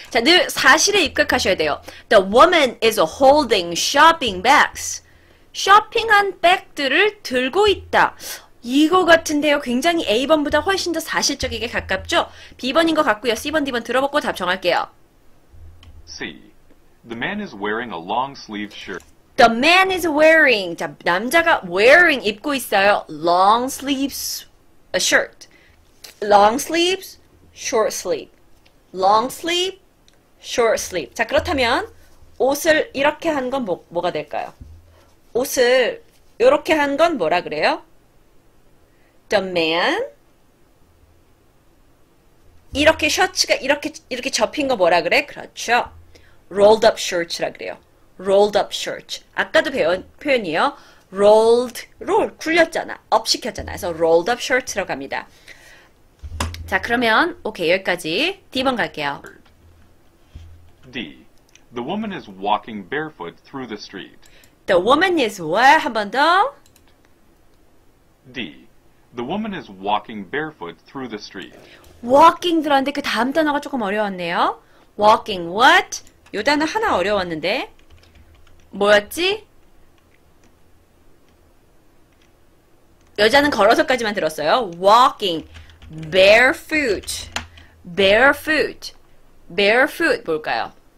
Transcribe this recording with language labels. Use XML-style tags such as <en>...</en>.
<ko>자, 늘 사실에 입각하셔야 돼요.</ko> <en>The woman is holding shopping bags.</en> <ko>쇼핑한 백들을 들고 있다. 이거 같은데요. 굉장히 A번보다 훨씬 더 사실적이게 가깝죠? B번인 것 같고요. C번, D번 들어보고 답 정할게요.</ko> <en>C. The man is wearing a long-sleeved shirt. The man is wearing.</en> <ko>자, 남자가</ko> <en>wearing</en> <ko>입고 있어요.</ko> <en>Long sleeves, a shirt. Long sleeves, short sleeve. Long sleeve, short sleeve.</en> <ko>자, 그렇다면 옷을 이렇게 한건 뭐가 될까요? 옷을 이렇게 한건 뭐라 그래요?</ko> <en>The man</en> <ko>이렇게 셔츠가 이렇게 접힌 거 뭐라 그래? 그렇죠. Rolled up shirt라 그래요. Rolled up shirt. 아까도 배운 표현이에요. Rolled 굴렸잖아. up 시켰잖아. 그래서 rolled up shirt라고 합니다. 자, 그러면 오케이 여기까지 D번 갈게요.</ko> <en>D. The woman is walking barefoot through the street. The woman is where?</en> <ko>한번 더.</ko> <en>D. The woman is walking barefoot through the street.</en> <ko>Walking 들었는데 그 다음 단어가 조금 어려웠네요.</ko> <en>Walking what?</en> <ko>요 단어 하나 어려웠는데. 뭐였지? 여자는 걸어서까지만 들었어요.</ko> <en>Walking. Barefoot. Barefoot. Barefoot.</en> <ko>뭘까요?</ko>